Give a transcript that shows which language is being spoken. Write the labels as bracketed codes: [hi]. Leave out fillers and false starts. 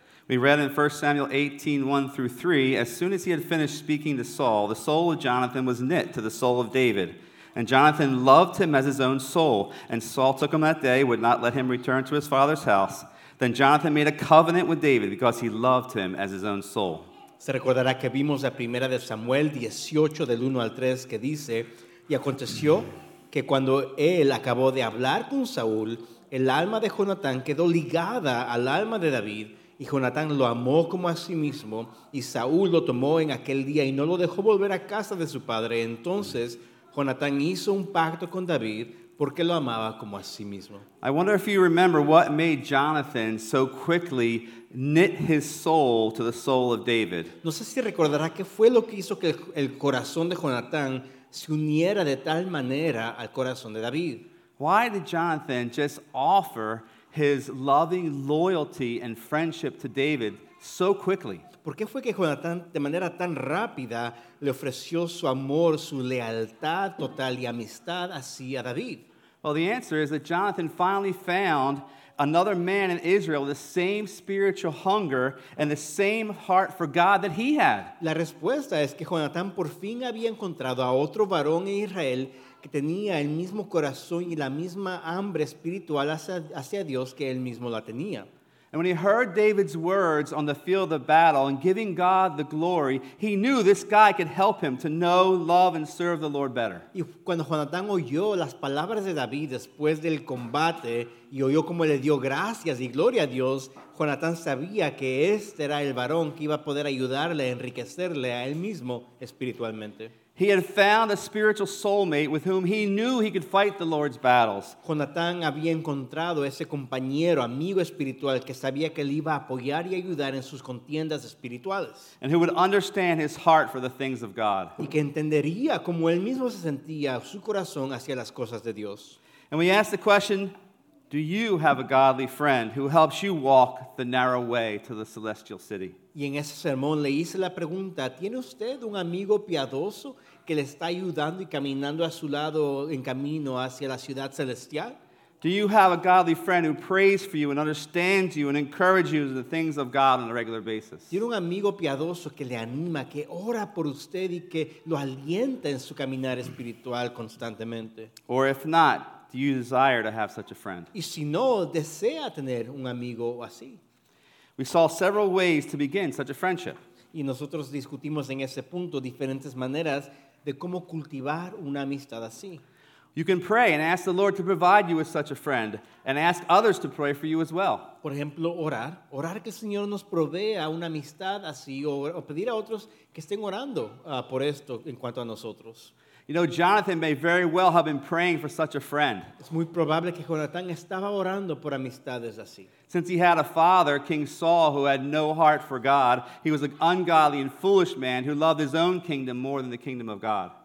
[en] We read in 1 Samuel 18, 1 through 3, as soon as he had finished speaking to Saul, the soul of Jonathan was knit to the soul of David. And Jonathan loved him as his own soul, and Saul took him that day, would not let him return to his father's house. Then Jonathan made a covenant with David, because he loved him as his own soul. [es] Se recordará que vimos la primera de Samuel 18, del 1 al 3, que dice, Y aconteció que cuando él acabó de hablar con Saúl, el alma de Jonatán quedó ligada al alma de David, y Jonatán lo amó como a sí mismo, y Saúl lo tomó en aquel día, y no lo dejó volver a casa de su padre. Entonces, Jonatán hizo un pacto con David porque lo amaba como a sí mismo. [en] I wonder if you remember what made Jonathan so quickly knit his soul to the soul of David. [es] No sé si recordará qué fue lo que hizo que el corazón de Jonatán se uniera de tal manera al corazón de David. [en] Why did Jonathan just offer his loving loyalty and friendship to David so quickly? [es] ¿Por qué fue que Jonatán, de manera tan rápida, le ofreció su amor, su lealtad total y amistad hacia David? [en] Well, the answer is that Jonathan finally found another man in Israel with the same spiritual hunger and the same heart for God that he had. [es] La respuesta es que Jonatán por fin había encontrado a otro varón en Israel que tenía el mismo corazón y la misma hambre espiritual hacia Dios que él mismo la tenía. [en] And when he heard David's words on the field of battle and giving God the glory, he knew this guy could help him to know, love, and serve the Lord better. [es] Y cuando Jonatán oyó las palabras de David después del combate y oyó cómo le dio gracias y gloria a Dios, Jonatán sabía que este era el varón que iba a poder ayudarle, enriquecerle a él mismo espiritualmente. [en] He had found a spiritual soulmate with whom he knew he could fight the Lord's battles. [es] Jonatán había encontrado ese compañero, amigo espiritual, que sabía que le iba a apoyar y ayudar en sus contiendas espirituales. [en] And who would understand his heart for the things of God. [es] Y que entendería cómo él mismo se sentía su corazón hacia las cosas de Dios. [en] And we ask the question, do you have a godly friend who helps you walk the narrow way to the celestial city? [es] Y en ese sermón le hice la pregunta, ¿tiene usted un amigo piadoso que le está ayudando y caminando a su lado en camino hacia la ciudad celestial? [en] Do you have a godly friend who prays for you and understands you and encourages you in the things of God on a regular basis? [es] ¿Tiene un amigo piadoso que le anima, que ora por usted y que lo alienta en su caminar espiritual constantemente? [en] Or if not, do you desire to have such a friend? [es] ¿Y si no, desea tener un amigo así? [en] We saw several ways to begin such a friendship. [es] Y nosotros discutimos en ese punto diferentes maneras de cómo cultivar una amistad así. [en] You can pray and ask the Lord to provide you with such a friend and ask others to pray for you as well. [es] Por ejemplo, orar que el Señor nos provea una amistad así o pedir a otros que estén orando por esto en cuanto a nosotros. [en] You know, Jonathan may very well have been praying for such a friend. [es] Es muy probable que Jonathan estaba orando por amistades así. [en] Since he had a father, King Saul, who had no heart for God, he was an ungodly and foolish man who loved his own kingdom more than the kingdom of God.